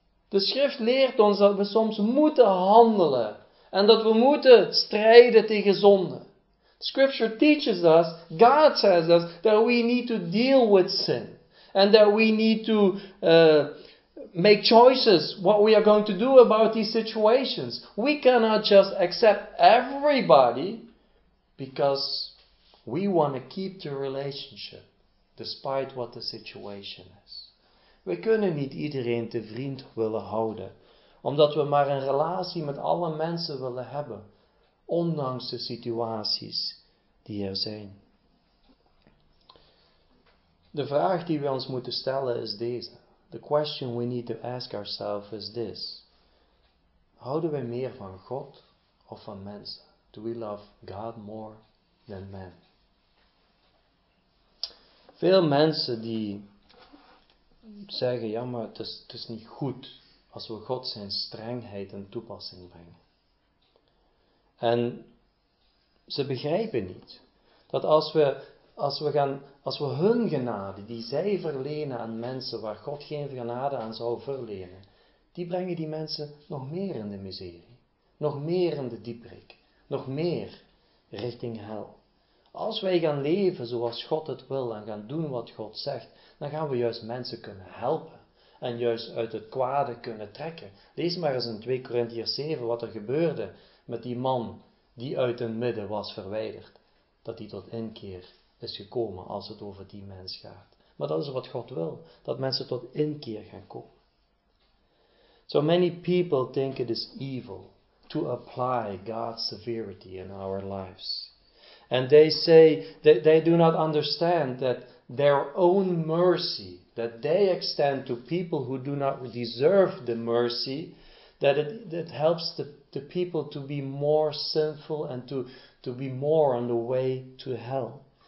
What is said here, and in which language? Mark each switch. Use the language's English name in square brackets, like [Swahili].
[Dutch] De schrift leert ons dat we soms moeten handelen. En dat we moeten strijden tegen zonde. [English] Scripture teaches us, God says us, that we need to deal with sin. And that we need to make choices what we are going to do about these situations. We cannot just accept everybody because we want to keep the relationship despite what the situation is. [Dutch] We kunnen niet iedereen te vriend willen houden. Omdat we maar een relatie met alle mensen willen hebben. Ondanks de situaties die er zijn. De vraag die we ons moeten stellen is deze. [English] The question we need to ask ourselves is this. [Dutch] Houden we meer van God of van mensen? [English] Do we love God more than men? [Dutch] Veel mensen die zeggen, ja maar het is niet goed als we God zijn strengheid in toepassing brengen. En ze begrijpen niet dat als we hun genade die zij verlenen aan mensen waar God geen genade aan zou verlenen, die brengen die mensen nog meer in de miserie, nog meer in de diepbreuk, nog meer richting hel. Als wij gaan leven zoals God het wil en gaan doen wat God zegt, dan gaan we juist mensen kunnen helpen. En juist uit het kwade kunnen trekken. Lees maar eens in 2 Korintiërs 7 wat er gebeurde met die man die uit hun midden was verwijderd. Dat hij tot inkeer is gekomen als het over die mens gaat. Maar dat is wat God wil. Dat mensen tot inkeer gaan komen. [English] So many people think it is evil to apply God's severity in our lives. And they say that they do not understand that their own mercy that they extend to people who do not deserve the mercy, that helps the people to be more sinful and to be more on the way to hell.